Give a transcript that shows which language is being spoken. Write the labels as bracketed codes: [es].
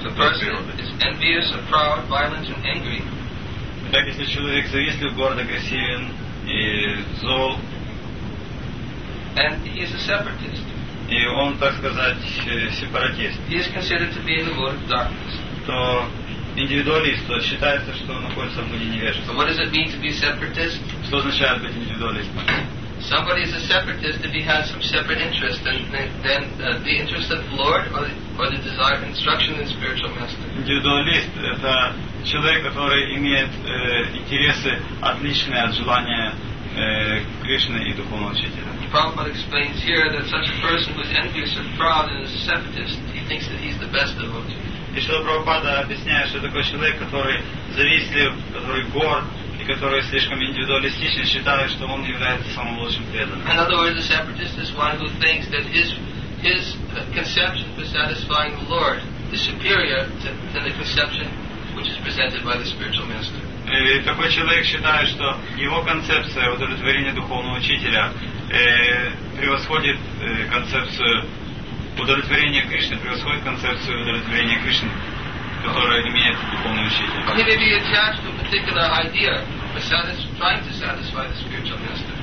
[en] The person is envious, proud, violent, and angry. [ru] Так если человек завистлив, горд, агрессивен и зол. [en] And he is a separatist. [ru] И он, так сказать, сепаратист. [en] He is considered to be in the world of darkness. [ru] То индивидуалист, то считается, что он находится в мире невежества. [en] What does it mean to be separatist? [ru] Что означает быть индивидуалистом? [en] Somebody is a separatist if he has some separate interest than the interest of the Lord or the desired instruction in spiritual master. [ru] Индивидуалист – это человек, который имеет интересы, отличные от желания Кришны и духовного учителя. [en] Prabhupada explains here that such a person who is envious or proud and is a separatist, he thinks that he's the best devotee. [ru] И что Прабхупада объясняет, что такой человек, который завистлив, который горд и который слишком индивидуалистичен, считает, что он является самым лучшим преданным. [en] In other words, a separatist is one who thinks that his conception for satisfying the Lord is superior to the conception which is presented by the spiritual master. [ru] И такой человек считает, что его концепция удовлетворения духовного учителя превосходит концепцию удовлетворения Кришны, превосходит концепцию удовлетворения Кришны, которая имеет духовный учитель.